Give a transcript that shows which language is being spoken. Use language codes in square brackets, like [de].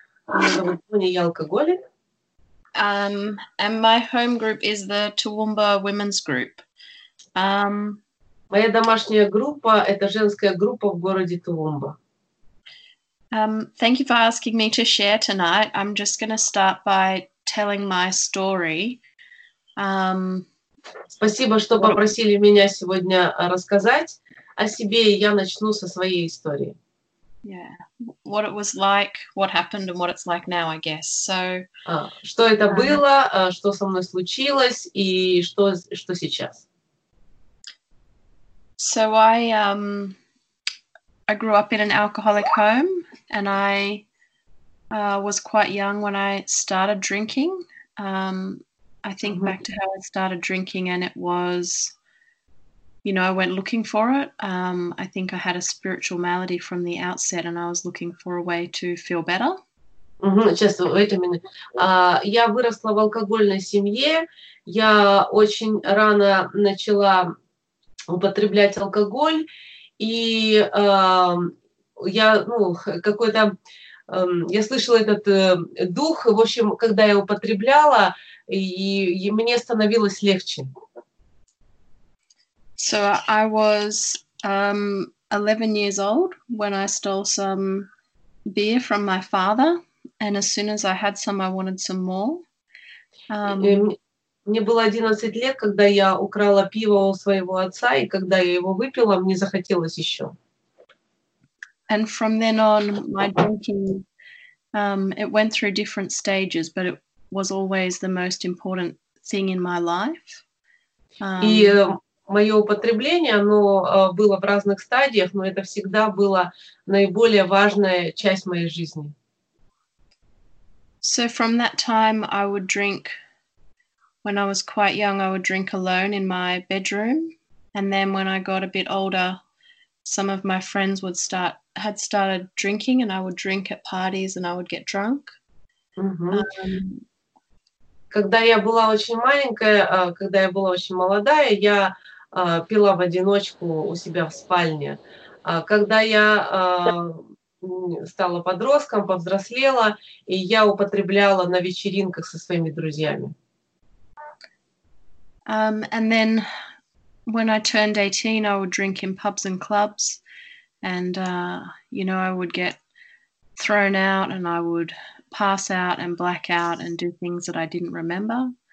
[ru] Меня зовут Бонни, я алкоголик. [en] And my home group is the Toowoomba Women's Group. [ru] Моя домашняя группа – это женская группа в городе Toowoomba. [en] Thank you for asking me to share tonight. I'm just going to start by telling my story. [ru] Спасибо, что попросили меня сегодня рассказать о себе, и я начну со своей истории. [en] Yeah, what it was like, what happened, and what it's like now, I guess. So, [ru] что это было, что со мной случилось, и что сейчас? [en] So I grew up in an alcoholic home, and I was quite young when I started drinking. I think back to how I started drinking, and it was, you know, I went looking for it. I think I had a spiritual malady from the outset, and I was looking for a way to feel better. [ru] Я выросла в алкогольной семье. Я очень рано начала употреблять алкоголь, и я слышала этот дух. В общем, когда я употребляла, и мне становилось легче. [en] So I was 11 years old when I stole some beer from my father, and as soon as I had some, I wanted some more. [ru] Мне было 11 лет, когда я украла пиво у своего отца, и когда я его выпила, мне захотелось еще. [en] And from then on, my drinking, it went through different stages, but it was always the most important thing in my life. [ru] Мое употребление, оно было в разных стадиях, но это всегда была наиболее важная часть моей жизни. [en] So from that time, I would drink, when I was quite young, I would drink alone in my bedroom. And then when I got a bit older, some of my friends would start, had started drinking, and I would drink at parties, and I would get drunk. [ru] Когда я была очень маленькая, когда я была очень молодая, я пила в одиночку у себя в спальне. Когда я стала подростком, повзрослела, и я употребляла на вечеринках со своими друзьями. [en] And then when I turned 18, I would drink in pubs and clubs, and you know, I would get thrown out, and I would pass out and black out and do things that I didn't remember.